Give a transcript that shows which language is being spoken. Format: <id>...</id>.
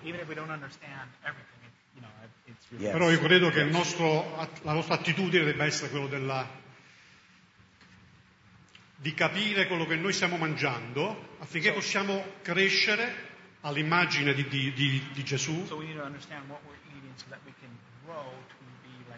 <en>Even if we don't understand everything, you know, it's really.</en> <it>Yes. Però io credo che la nostra attitudine debba essere quella di capire quello che noi stiamo mangiando affinché possiamo crescere all'immagine di Gesù.</it> <en>So we need to understand what we're eating so that we can grow to be</en>